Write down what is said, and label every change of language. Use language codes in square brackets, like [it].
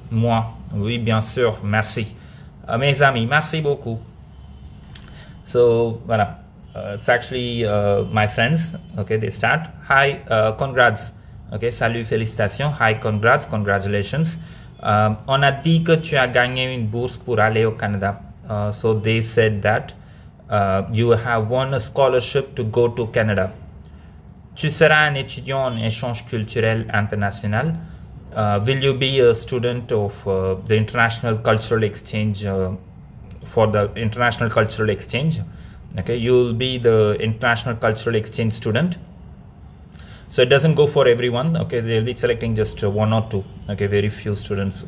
[fr] Moi, oui, bien sûr. Merci. Mes amis, merci beaucoup. So, voilà. [en] It's actually my friends. Okay, they start. Hi, congrats. Okay, [fr] salut, félicitations. [en] Hi, congrats, congratulations. [fr] On a dit que tu as gagné une bourse pour aller au Canada. [en] So they said that you have won a scholarship to go to Canada. [fr] Tu seras un étudiant en échange culturel international. [en] Will you be a student of the international cultural exchange for the international cultural exchange? Okay, you'll be the international cultural exchange student. So it doesn't go for everyone. Okay, they'll be selecting just one or two. Okay, very few students.